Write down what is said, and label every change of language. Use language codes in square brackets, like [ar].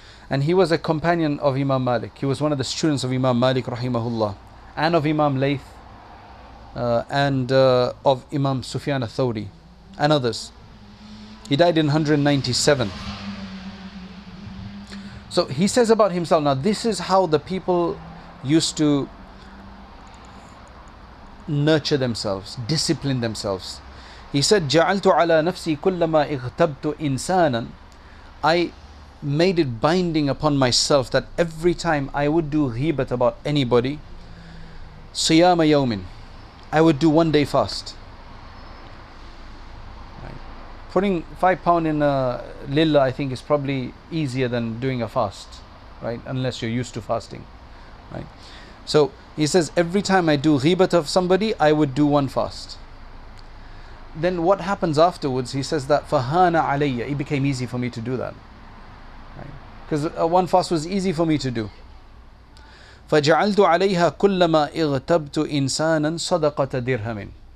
[en] And he was a companion of Imam Malik. He was one of the students of Imam Malik, rahimahullah, and of Imam Layth, and of Imam Sufyan al-Thawri, and others. He died in 197. So he says about himself, now this is how the people used to nurture themselves, discipline themselves. [ar] He said, جَعَلْتُ عَلَىٰ نَفْسِي كُلَّمَا اِغْتَبْتُ إِنسَانًا. [en] I made it binding upon myself that every time I would do ghibat about anybody, [ar] صِيَامَ يَوْمٍ, [en] I would do one day fast. Putting £5 in a lilla, I think, is probably easier than doing a fast, right? Unless you're used to fasting, right? So he says, every time I do ghibat of somebody, I would do one fast. Then what happens afterwards? He says that fahana alayya, it became easy for me to do that, right? Because one fast was easy for me to do. [ar] فجعلت عليها كلما اغتبت إنسانا صدقة درهم.